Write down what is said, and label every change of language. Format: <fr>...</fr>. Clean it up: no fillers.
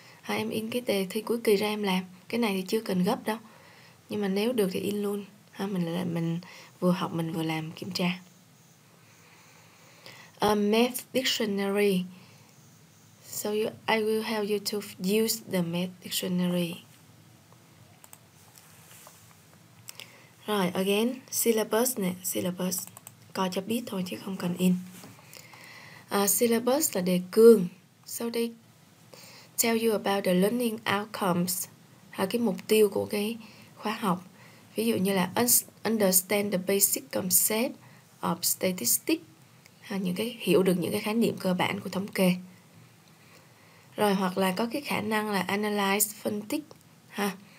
<vi>Em in cái đề thi cuối kỳ ra em làm. Cái này thì chưa cần gấp đâu. Nhưng mà nếu được thì in luôn. Mình vừa học mình vừa làm kiểm tra.</vi> <en>Math dictionary. So I will help you to use the math dictionary.</en> <vi>Rồi, again, syllabus nè. Syllabus. Coi cho biết thôi chứ không cần in. Syllabus là đề cương.</vi> <en>So they tell you about the learning outcomes.</en> <vi>Cái mục tiêu của cái khóa học. Ví dụ như là</vi> <en>understand the basic concept of statistics,</en> <vi>những cái hiểu được những cái khái niệm cơ bản của thống kê. Rồi hoặc là có cái khả năng là analyze, phân tích ha.</vi>